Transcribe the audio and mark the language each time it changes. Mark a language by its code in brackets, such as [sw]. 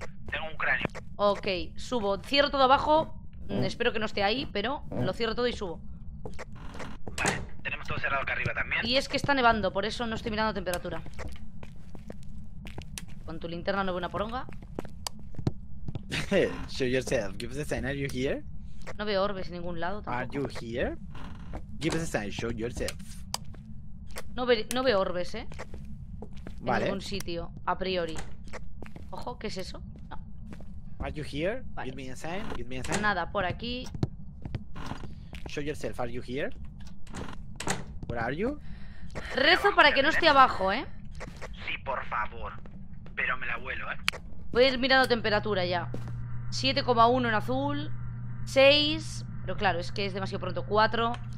[es] Tengo un cráneo. Ok, subo, cierro todo abajo. Espero que no esté ahí, pero lo cierro todo y subo. Vale, tenemos todo cerrado acá arriba también. Y es que está nevando, por eso no estoy mirando temperatura. Con tu linterna no veo una poronga. [en] Show yourself, give us a sign, are you here? [es] No veo orbes en ningún lado tampoco. [en] Are you here? Give us a sign, show yourself. [es] No veo orbes, ¿eh? Vale. En ningún sitio, a priori. Ojo, ¿qué es eso? No. [en] Are you here? Vale. Give me a sign, give me a sign. [es] Nada, por aquí. [en] Show yourself, are you here? Where are you? [es] Rezo para que no esté abajo, ¿eh? Sí, por favor. Pero me la vuelo, ¿eh? Voy a ir mirando temperatura ya. 7,1 en azul. 6. Pero claro, es que es demasiado pronto. 4.